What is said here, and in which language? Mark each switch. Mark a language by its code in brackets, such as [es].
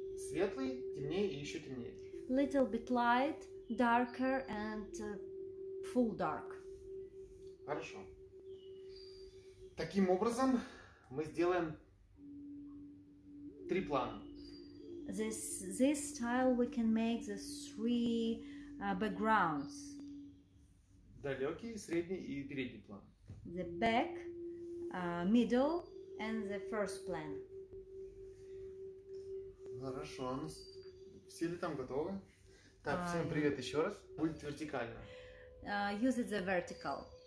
[ru] Светлый, темнее и еще темнее. [en] Little bit light, darker and full dark. [ru] Хорошо. Таким образом мы сделаем три плана. [en] This style we can make the three backgrounds. [ru] Далекий, средний и передний план. [en] The back, middle and the first plan. [ru] Хорошо. Все ли там готовы? Так, всем привет еще раз. Будет вертикально. [en] Use it the vertical.